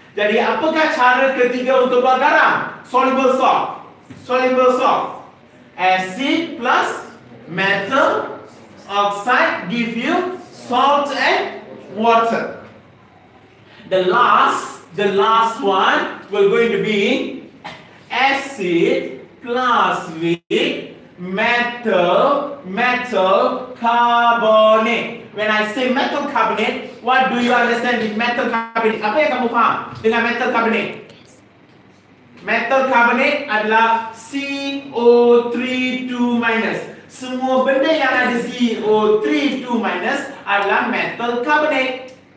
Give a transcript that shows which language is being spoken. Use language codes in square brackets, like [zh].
[ms] Jadi apakah cara ketiga untuk buat garam? [en] Soluble salt. Acid plus metal oxide give you salt and water. The last one we're going to be acid plus weak metal carbonate. When I say metal carbonate, what do you understand with metal carbonate? [ms] Apa yang kamu faham dengan metal carbonate? Metal carbonate adalah CO3 2-. Semua benda yang ada CO3 2- adalah metal carbonate.